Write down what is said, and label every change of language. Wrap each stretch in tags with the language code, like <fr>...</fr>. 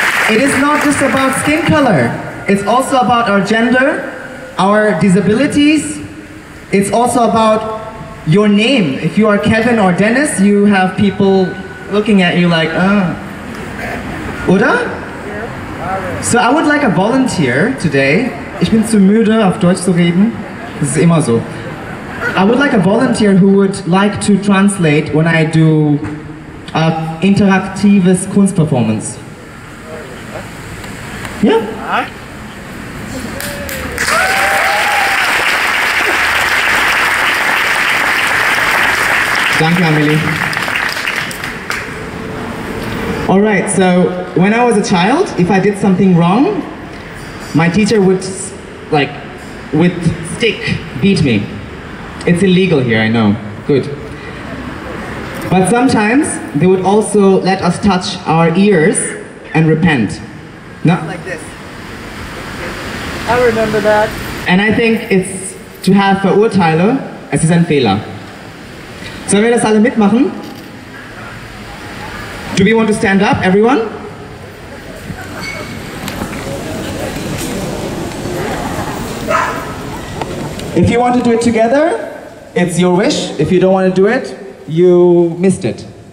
<en>It is not just about skin color. It's also about our gender, our disabilities. It's also about your name. If you are Kevin or Dennis, you have people looking at you like, oder? So I would like a volunteer today.</en> <de>Ich bin zu müde, auf Deutsch zu reden. Das ist immer so.</de> <en>I would like a volunteer who would like to translate when I do an interaktives Kunstperformance. Yeah?</en> <de>Danke, Amelie.</de> <en>All right, so when I was a child, if I did something wrong, my teacher would, like, with stick, beat me. It's illegal here, I know. Good. But sometimes, they would also let us touch our ears and repent. Not like this. I remember that. And I think it's to have Verurteile,</en> <de>es ist ein Fehler. Sollen wir das alle mitmachen?</de> <en>Do we want to stand up, everyone? If you want to do it together, it's your wish. If you don't want to do it, you missed it.</en>